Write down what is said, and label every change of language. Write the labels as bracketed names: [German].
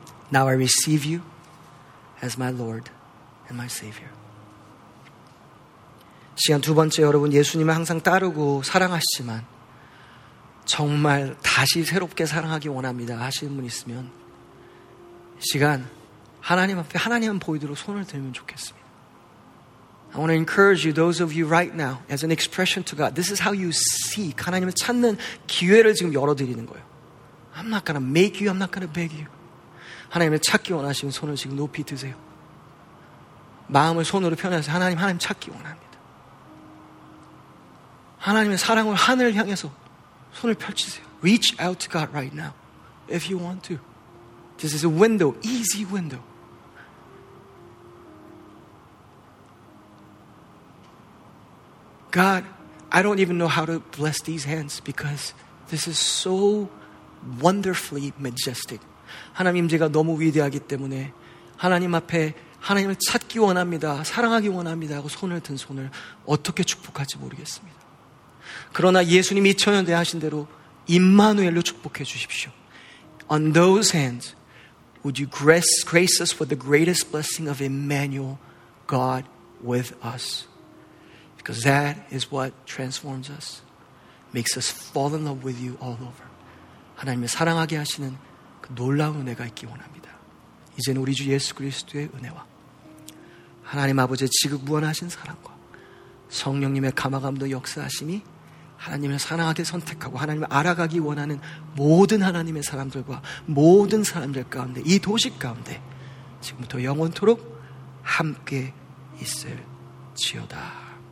[English] Now I receive you as my Lord and my Savior. [Korean] 시간 두 번째, 여러분 예수님을 항상 따르고 사랑하시지만 정말 다시 새롭게 사랑하기 원합니다 하시는 분 있으면 시간 하나님 앞에 하나님만 보이도록 손을 들면 좋겠습니다. [English] I want to encourage you, those of you right now, as an expression to God, this is how you seek. [Korean] 하나님을 찾는 기회를 지금 열어드리는 거예요. [English] I'm not going to make you, I'm not going to beg you. [Korean] 하나님을 찾기 원하시면 손을 지금 높이 드세요. 마음을 손으로 펴내서 하나님 찾기 원합니다. 하나님의 사랑을 하늘 향해서 손을 펼치세요. [English] Reach out to God right now, if you want to. This is a window, easy window. God, I don't even know how to bless these hands because this is so wonderfully majestic. [Korean] 하나님 임재가 너무 위대하기 때문에 하나님 앞에 하나님을 찾기 원합니다. 사랑하기 원합니다 하고 손을 든 손을 어떻게 축복할지 모르겠습니다. 그러나 예수님이 2000년 대 하신 대로 임마누엘로 축복해 주십시오. [English] On those hands, would you grace us with the greatest blessing of Emmanuel, God with us? Because that is what transforms us, makes us fall in love with you all over. [Korean] 하나님을 사랑하게 하시는 그 놀라운 은혜가 있기 원합니다. 이제는 우리 주 예수 그리스도의 은혜와 하나님 아버지의 지극무한하신 사랑과 성령님의 감화감도 역사하심이 하나님을 사랑하게 선택하고 하나님을 알아가기 원하는 모든 하나님의 사람들과 모든 사람들 가운데 이 도시 가운데 지금부터 영원토록 함께 있을지어다.